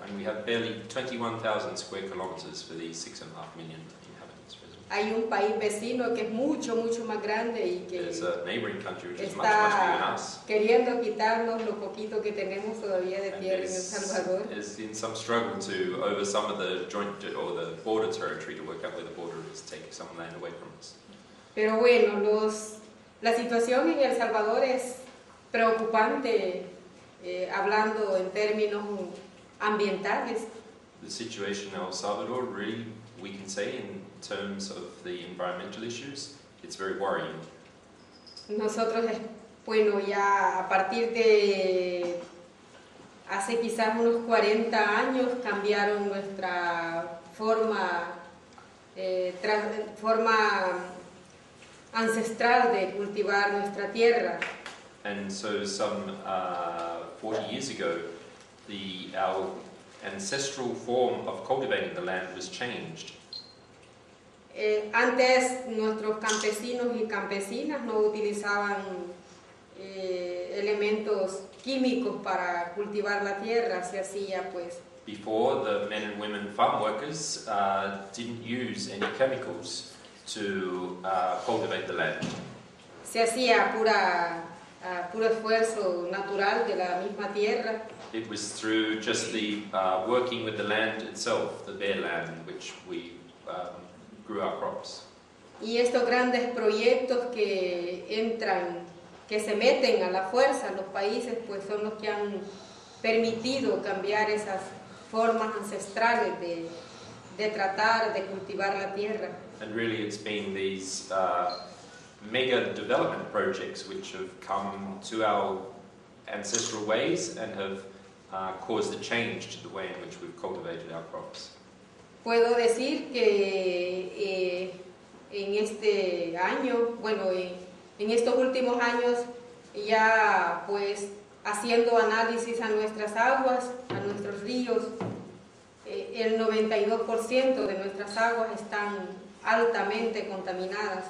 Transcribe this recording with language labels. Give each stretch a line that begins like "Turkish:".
English: And we have barely 21,000 square kilometers for these 6.5 million inhabitants.
Spanish: Hay un país vecino que es mucho, mucho más grande y que está queriendo quitarnos lo poquito que tenemos todavía de tierra en El Salvador.
English: Is in some struggle to over some of the joint or the border territory to work out where the border is taking some land away from us.
Spanish: Pero bueno, la situación en El Salvador es preocupante, hablando en términos ambientales.
English: The situation in El Salvador, really, we can say in terms of the environmental issues, it's very worrying.
Spanish: Nosotros, bueno, ya a partir de hace quizás unos 40 años cambiaron nuestra forma ancestral de cultivar nuestra tierra.
English: And so some 40 years ago, our ancestral form of cultivating the land was changed.
Spanish: Antes, nuestros campesinos y campesinas no utilizaban elementos químicos para cultivar la tierra, se hacía pues.
English: Before, the men and women farm workers didn't use any chemicals to cultivate the land.
Spanish: Se hacía puro esfuerzo natural de la misma tierra.
English: It was through just the working with the land itself, the bare land in which we grew our crops.
Spanish: Y estos grandes proyectos que se meten a la fuerza en los países, pues son los que han permitido cambiar esas formas ancestrales de tratar de cultivar la tierra.
English: And really it's been these mega development projects which have come to our ancestral ways and have caused a change to the way in which we've cultivated our crops.
Spanish: Puedo decir que en este año, bueno, en estos últimos años, ya pues haciendo análisis a nuestras aguas, a nuestros ríos, el 92% de nuestras aguas están altamente contaminadas.